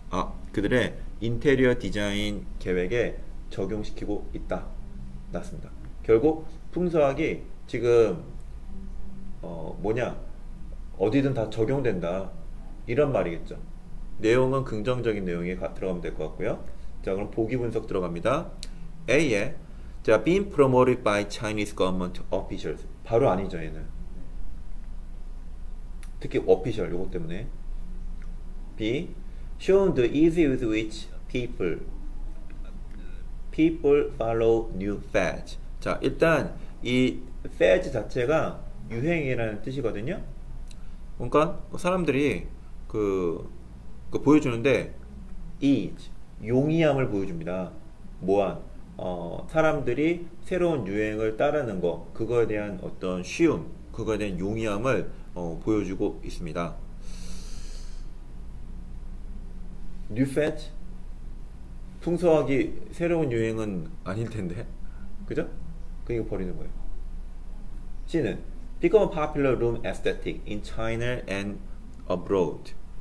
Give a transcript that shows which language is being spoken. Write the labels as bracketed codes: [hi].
[ko] 아, 그들의 인테리어 디자인 계획에 적용시키고 있다. 맞습니다. 결국 풍수학이 지금 뭐냐? 어디든 다 적용된다. 이런 말이겠죠. 내용은 긍정적인 내용에 들어가면 될것 같고요. 자, 그럼 보기 분석 들어갑니다. A에 자, [en] been promoted by Chinese government officials. [ko] 바로 아니죠, 얘는. 특히 official 요것 때문에. [en] B shown the ease with which people follow new fads. [ko] 자, 일단 이 fads 자체가 유행이라는 뜻이거든요. 그러니까 사람들이 그 보여주는데 ease 용이함을 보여줍니다. 뭐한 사람들이 새로운 유행을 따르는 거 그거에 대한 어떤 쉬움 그거에 대한 용이함을 보여주고 있습니다. [en] New fad? [ko] 풍수하기 새로운 유행은 아닐 텐데. 그죠? 그니까 버리는 거예요. C는 [en] become a popular room aesthetic in China and abroad.